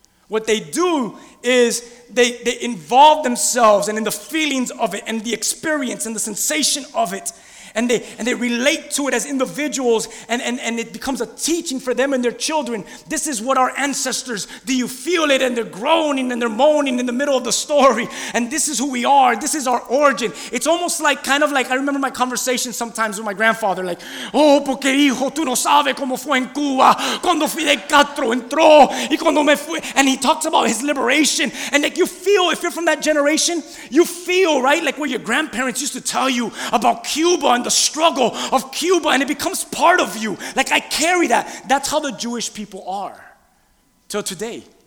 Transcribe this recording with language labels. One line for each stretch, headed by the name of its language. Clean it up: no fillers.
English: What they do is they involve themselves and in the feelings of it and the experience and the sensation of it. And they relate to it as individuals, and it becomes a teaching for them and their children. This is what our ancestors, do you feel it? And they're groaning and they're moaning in the middle of the story. And this is who we are. This is our origin. It's almost like, kind of like, I remember my conversation sometimes with my grandfather, like, oh,
Spanish: porque hijo, tú no sabes cómo fue en Cuba, cuando Fidel Castro entró, y cuando me fui.
English: And he talks about his liberation. And like, you feel, if you're from that generation, you feel, right, like what your grandparents used to tell you about Cuba and the struggle of Cuba, and it becomes part of you. Like, I carry that. That's how the Jewish people are till today.